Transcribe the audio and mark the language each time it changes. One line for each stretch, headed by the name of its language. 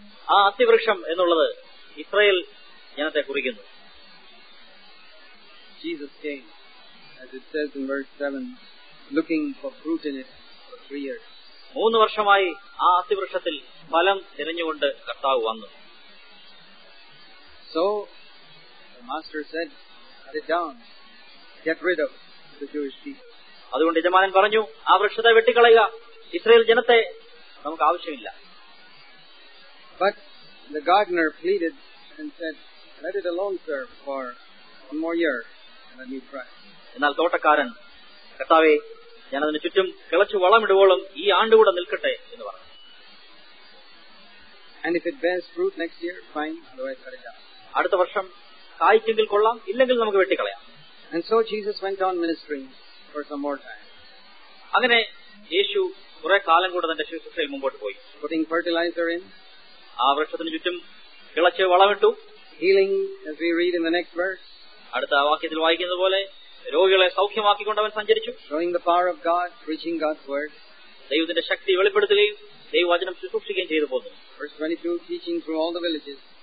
Malayalam: ആ അത്തിവൃക്ഷം എന്നുള്ളത് ഇസ്രായേൽ ജനത്തെ കുറിക്കുന്നു.
English: Jesus came, as it says in verse 7, looking for fruit in it for 3 years.
Malayalam: മൂന്ന് വർഷമായി ആ അത്തിവൃക്ഷത്തിൽ ഫലം തിരഞ്ഞുകൊണ്ട് കർത്താവ് വന്നു.
English: So the master said, cut it down, get rid of the Jewish people.
Malayalam: അതുകൊണ്ട് യജമാനൻ പറഞ്ഞു, ആ വൃക്ഷത്തെ വെട്ടിക്കളയുക, ഇസ്രായേൽ ജനത്തെ നമുക്ക് ആവശ്യമില്ല.
English: But the gardener pleaded and said, let it alone, sir, for one more year and a new crop.
Malayalam: എന്നാൽ തോട്ടക്കാരൻ, കർത്താവേ, ഞാൻ അതിന് ചുറ്റും കിളച്ചു വളമിടുവോളം ഈ ആണ്ടുകൂടെ നിൽക്കട്ടെ എന്ന് പറഞ്ഞു.
English: And if it bears fruit next year, fine, otherwise cut it down.
Malayalam: അടുത്ത വർഷം കായ്ക്കെങ്കിൽ കൊള്ളാം, ഇല്ലെങ്കിൽ നമുക്ക് വെട്ടിക്കളയാം.
English: And so Jesus went on ministering for some more time.
Malayalam: അങ്ങനെ യേശു കുറെ കാലം കൂടെ തന്റെ ശുശ്രൂഷയിൽ മുമ്പോട്ട് പോയി.
English: Putting fertilizer in.
Malayalam: ആ വൃക്ഷത്തിന് ചുറ്റും കിളച്ച് വളമിട്ടു.
English: Healing, as we read in the next verse.
Malayalam: അടുത്ത വാക്യത്തിൽ വായിക്കുന്നത് പോലെ രോഗികളെ സൗഖ്യമാക്കിക്കൊണ്ട് അവൻ സഞ്ചരിച്ചു.
English: Showing the power of God, preaching God's word.
Malayalam: ദൈവത്തിന്റെ ശക്തി വെളിപ്പെടുത്തുകയും ദൈവവചനം ശുശ്രൂഷിക്കുകയും ചെയ്തു പോന്നു.
English: Verse 22, teaching through all the villages.